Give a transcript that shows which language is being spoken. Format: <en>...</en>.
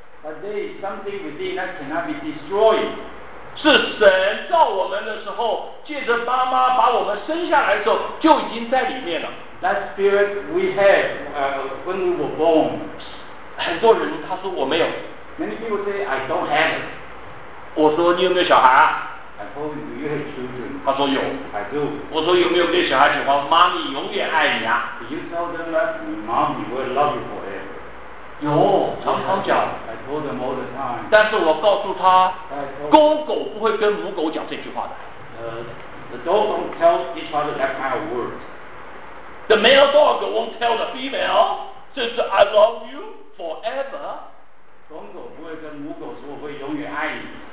<en>But there is something within that cannot be destroyed。</en> <zh>是神造我们的时候，借着妈妈把我们生下来的时候，就已经在里面了。</zh> <en>That spirit we had when we were born。</en> <zh>很多人他说我没有</zh> <en>，Many people say I don't have it。</en> <zh>我说你有没有小孩</zh> <en>？I told you, do you have children?</en> <zh>他说有。</zh> <en>I do。</en> <zh>我说有没有跟小孩讲话？妈咪永远爱你啊。</zh> <en>Do you tell them that your mommy will love you forever?</en> <zh>有，常常讲。</zh> <en>I told them all the time。</en> <zh>但是我告诉他，公狗不会跟母狗讲这句话的。</zh> <en>The dog won't tell each other that kind of word. The male dog won't tell the female, says I love you forever.</en> <zh>公狗不会跟母狗说会永远爱你。</zh>